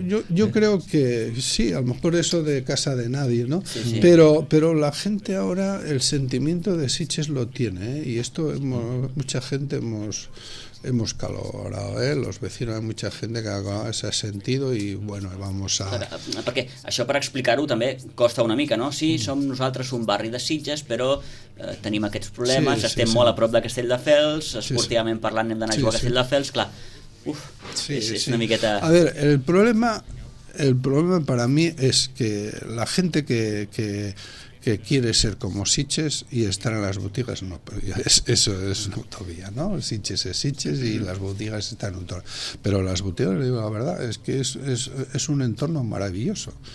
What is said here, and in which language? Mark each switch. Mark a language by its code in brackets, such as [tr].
[es] Yo creo que sí, a lo mejor eso de casa de nadie, ¿no? Sí, sí. Pero la gente ahora el sentimiento de Sitges lo tiene, ¿eh? Y esto mucha gente hemos calorado, ¿eh? Los vecinos, hay mucha gente que se ha sentido y bueno, vamos a... [ca] Perquè això, per explicar-ho, també costa una mica, no? Sí, som nosaltres un barri de Sitges, però tenim aquests problemes, sí, estem molt a prop de Castelldefels, esportivament parlant hem d'anar a jugar a Castelldefels, clar, és una miqueta... [es] A veure, el problema para mí es que la gente que quiere ser como Sitges y estar en las boutiques, no, pero eso es una utopía, ¿no? Sitges es Sitges y las boutiques están en un entorno. Pero las boutiques, le digo la verdad, es que es un entorno maravilloso.